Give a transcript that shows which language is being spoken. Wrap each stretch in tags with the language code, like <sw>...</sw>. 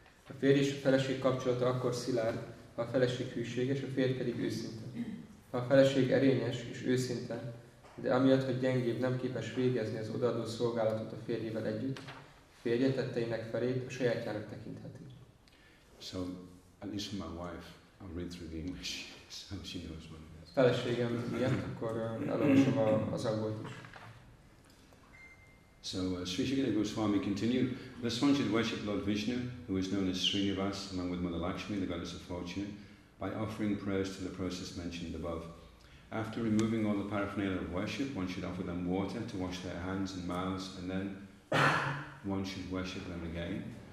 <hu>A férj és a feleség kapcsolata akkor szilárd, ha a feleség hűséges, a férj pedig őszinte. Ha a feleség erényes és őszinte, de amiatt, hogy gyengébb nem képes végezni az odaadó szolgálatot a férjével együtt, férje tetteinek felét a sajátjának tekintheti.</hu> <en>So, at least my wife, I'll read through the English, so she knows what it is.</en> <hu>Feleségem miatt, akkor elolvasom az angolt is.</hu> <en>So Sri Shikhara Goswami continued, "This one should worship Lord Vishnu, who is known as Srinivas, along with Mother Lakshmi, the goddess of fortune, by offering prayers to the process mentioned above. After removing all the paraphernalia of worship, one should offer them water to wash their hands and mouths, and then one should worship them again.</en>